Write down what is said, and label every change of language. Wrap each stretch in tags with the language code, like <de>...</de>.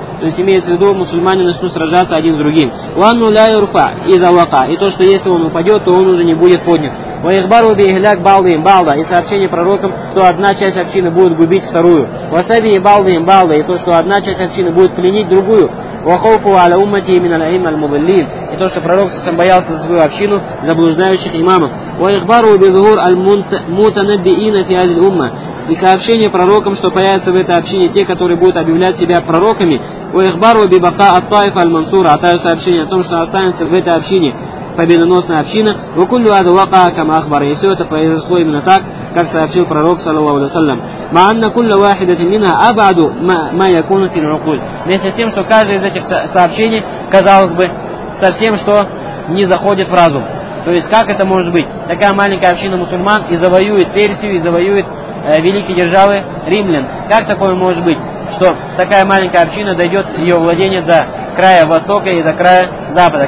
<ru>То есть имеется в виду, мусульмане начнут сражаться один с другим.</ru> <ar>«Ва-анну ля юрфа из-за-лака».</ar> <ru>И то, что если он упадет, то он уже не будет поднят.</ru> <ar>«Ва-ихбару би-ихляк балдаим балда».</ar> <ru>И сообщение пророкам, что одна часть общины будет губить вторую.</ru> <ar>«Ва-саби балдаим балда».</ar> <ru>И то, что одна часть общины будет пленить другую.</ru> <ar>وخوفه على أمته من الأئمة المضلين.</ar> <ru>И то, что пророк сам боялся за свою общину, заблуждающих имамов.</ru> <ar>وإخباره بظهور المتنبئين في هذه الأمة.</ar> <ru>И сообщение пророкам, что появятся в этой общине те, которые будут объявлять себя пророками.</ru> <ar>وإخباره ببقاء الطائفة المنصورة.</ar> <ru>А также сообщение о том, что останется в этой общине победоносная община.</ru> <ar>وكل هذا وقع كما أخبر.</ar> <ru>И все это произошло именно так, как сообщил пророк, саллаллаху алейхи ва саллям.</ru> <ar>مع أن كل واحدة منها أبعد ما يكون في العقول.</ar> <ru>Вместе с тем, что каждое из этих сообщений, казалось бы, совсем что не заходит в разум. То есть как это может быть? Такая маленькая община мусульман и завоюет Персию, и завоюет великие державы римлян. Как такое может быть, что такая маленькая община дойдет ее владение до края востока и до края запада?</ru>